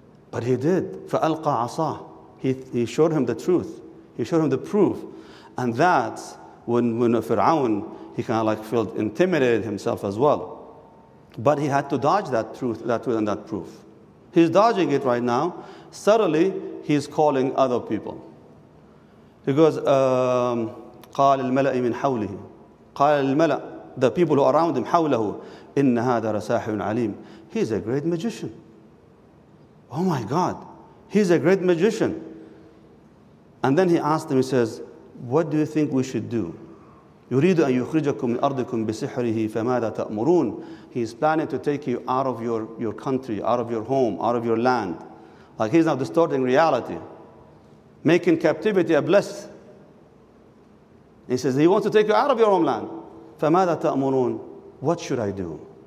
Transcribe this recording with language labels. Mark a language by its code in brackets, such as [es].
[en] But he did. [ar] فَأَلْقَى عَصَاهُ. [en] He showed him the truth. He showed him the proof. And that's when Fir'aun, he kind of like felt intimidated himself as well. But he had to dodge that truth and that proof. He's dodging it right now. Suddenly, he's calling other people. He goes, [ar] قَالَ الْمَلَأِ مِنْ حَوْلِهِ. قَالَ الْمَلَأِ. [en] The people who are around him, [ar] حوله, إن هذا رساحر عليم. [en] He's a great magician. Oh my God. He's a great magician. And then he asked him, he says, what do you think we should do? [ar] يريد أن يخرجكم من أرضكم بسحره فماذا تأمرون. [en] He's planning to take you out of your country, out of your home, out of your land. Like he's now distorting reality, making captivity a bless. He says he wants to take you out of your homeland. [ar] فَمَاذَا تَأْمُرُونَ. [en] What should I do?